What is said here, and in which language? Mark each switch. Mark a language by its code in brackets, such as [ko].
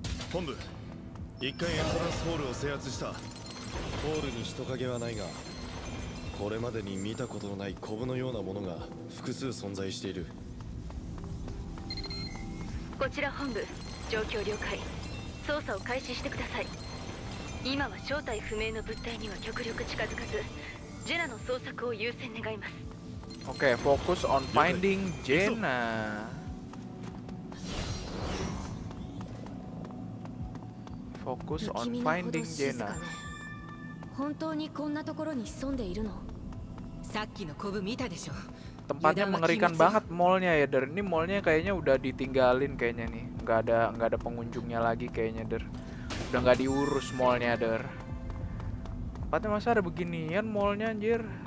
[ja] 本部、一回エントランスホールを制圧した。ホールに人影はないが、これまでに見たことのないコブのようなものが複数存在している。こちら本部、状況了解。捜査を開始してください。今は正体不明の物体には極力近づかず、ジェナの捜索を優先願います。 [en] OK、Focus on finding ジェナ。 Focus on finding ジェナ。 [ja] 本当にこんなところに潜んでいるの？さっきのコブ見たでしょ。 [id] Tempatnya mengerikan banget mallnya ya, Der. Ini mallnya kayaknya udah ditinggalin kayaknya nih. Gak ada pengunjungnya lagi kayaknya, Der. Udah gak diurus mallnya, Der. Tempatnya masa ada beginian mallnya, anjir.